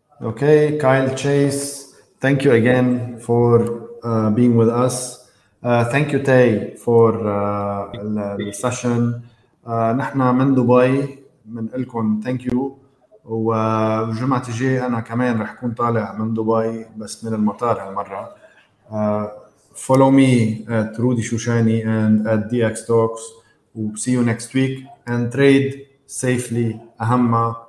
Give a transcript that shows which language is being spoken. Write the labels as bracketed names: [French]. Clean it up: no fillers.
[English] Okay, Kyle Chasse, thank you again for being with us. Thank you Tey for the session. [Arabic] نحنا من دبي من إلكم [English] thank you. [Arabic] وجمعة جاي أنا كمان رح كون طالع من دبي بس من المطار هالمرة. [English] Follow me at Rudy Shoushany and at DxTalks. See you next week and trade safely. [Arabic] أهم ما